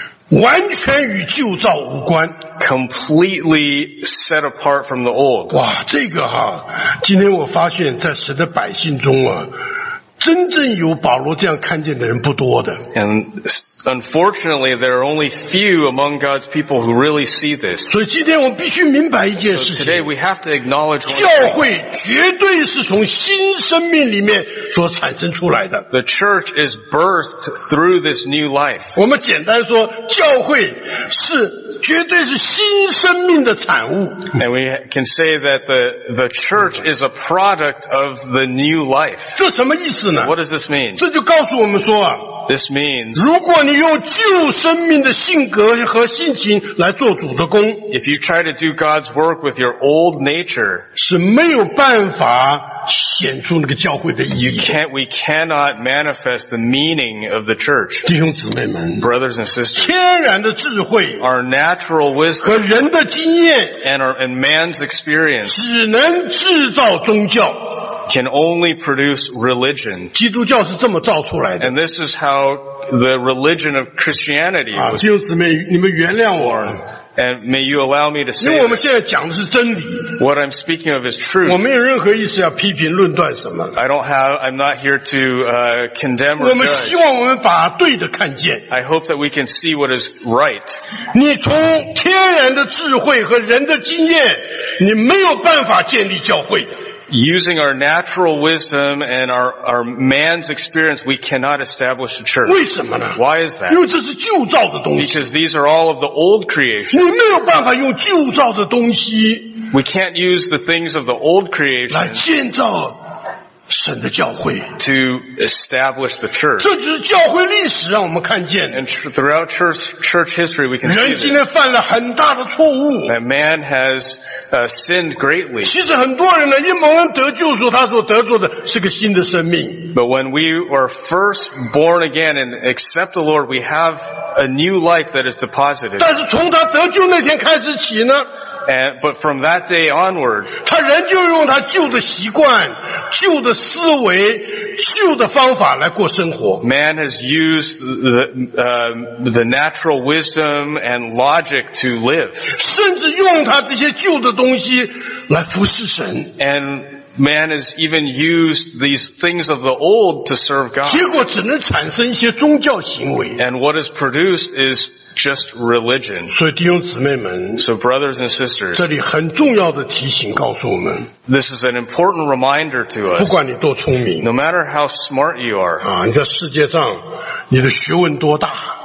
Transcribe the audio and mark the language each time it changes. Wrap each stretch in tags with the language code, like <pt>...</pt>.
<zh>完全与旧造无关。</zh> <en>Completely set apart from the old.</en> <zh>哇，这个哈，今天我发现在神的百姓中啊，真正有保罗这样看见的人不多的。</zh> <en>And unfortunately, there are only few among God's people who really see this.</en> <zh>所以今天我们必须明白一件事情。</zh> <en>So today we have to acknowledge.</en> <zh>教会绝对是从新生命里面所产生出来的。</zh> <en>The church is birthed through this new life.</en> <zh>我们简单说，教会是绝对是新生命的产物。</zh> <en>And we can say that the church is a product of the new life.</en> <zh>这什么意思呢？</zh> <en>What does this mean?</en> <zh>这就告诉我们说啊。</zh> <en>This means,</en> <zh>如果你用旧生命的性格和性情来做主的工</zh> <en>if you try to do God's work with your old nature,</en> <zh>是没有办法显出那个教会的意义</zh> <en>we cannot manifest the meaning of the church.</en> <zh>弟兄姊妹们</zh> <en>brothers and sisters,</en> <zh>天然的智慧</zh> <en>our natural wisdom,</en> <zh>和人的经验</zh> <en>and man's experience,</en> <zh>只能制造宗教</zh> <en>Can only produce religion.</en> <zh>基督教是这么造出来的。</zh> <en>And this is how the religion of Christianity was.</en> <zh>弟兄姊妹，你们原谅我。</zh> <en>And may you allow me to say.</en> <zh>因为我们现在讲的是真理。</zh> <en>What I'm speaking of is truth.</en> <zh>我没有任何意思要批评论断什么。</zh> <en>I'm not here to condemn or judge.</en> <zh>我们希望我们把对的看见。</zh> <en>I hope that we can see what is right.</en> <zh>你从天然的智慧和人的经验，你没有办法建立教会的。</zh> <en>Using our natural wisdom and our man's experience, we cannot establish a church.</en> <zh>为什么呢?</zh> <en>Why is that?</en> <zh>因为这是旧造的东西。</zh> <en>Because these are all of the old creation.</en> <zh>你没有办法用旧造的东西。</zh> <en>We can't use the things of the old creation.</en> <zh>来建造神的教会。</zh> <en>To establish the church.</en> <zh>这就是教会历史让我们看见。</zh> <en>And throughout church history, we can see.</en> <zh>人今天犯了很大的错误。</zh> <en>And man has sinned greatly.</en> <zh>其实很多人呢，因蒙恩得救赎，他所得着的是个新的生命。</zh> <en>But when we were first born again and accept the Lord, we have a new life that is deposited.</en> <zh>但是从他得救那天开始起呢？</zh> <en>But from that day onward,</en> <zh>他仍旧用他旧的习惯、旧的思维、旧的方法来过生活。</zh> <en>Man has used the natural wisdom and logic to live.</en> <zh>甚至用他这些旧的东西来服侍神。</zh> <en>And man has even used these things of the old to serve God.</en> <zh>结果只能产生一些宗教行为。</zh> <en>And what is produced is just religion.</en> <zh>所以弟兄姊妹们</zh> <en>So brothers and sisters,</en> <zh>这里很重要的提醒告诉我们</zh> <en>This is an important reminder to us.</en> <zh>不管你多聪明</zh> <en>No matter how smart you are.</en> <zh>你在世界上你的学问多大</zh>